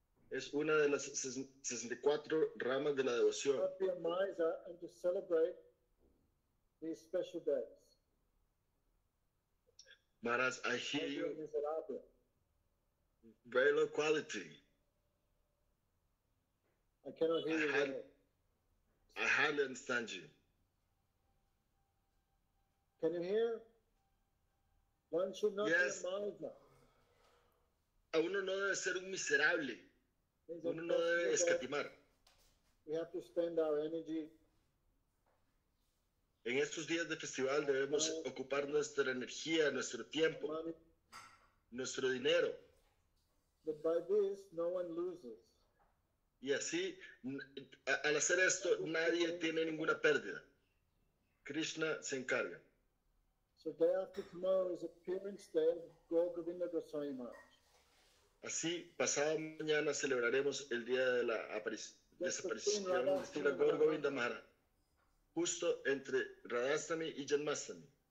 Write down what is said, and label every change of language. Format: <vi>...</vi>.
<es>es una de las 64 ramas de la devoción.</es> <en>And to celebrate these special days. Maras, I hear you. Very low quality. I cannot hear you. I hardly understand you. Can you hear? One should not yes. be a miser.</en> <es>Uno no debe ser un miserable. Uno no debe escatimar.</es> <en>We have to spend our energy.</en> <es>En estos días de festival debemos ocupar nuestra energía, nuestro tiempo, nuestro dinero.</es> <en>But by this, no one loses.</en> <es>Y así, al hacer esto, nadie tiene ninguna pérdida. Krishna se encarga.</es> <en>So day after tomorrow is appearance day of Gaur Govinda Goswami Maharaj.</en> <es>Así, pasado mañana celebraremos el día de la desaparición de Gaur Govinda Maharaj, justo entre Radhastami y Janmastami.</es>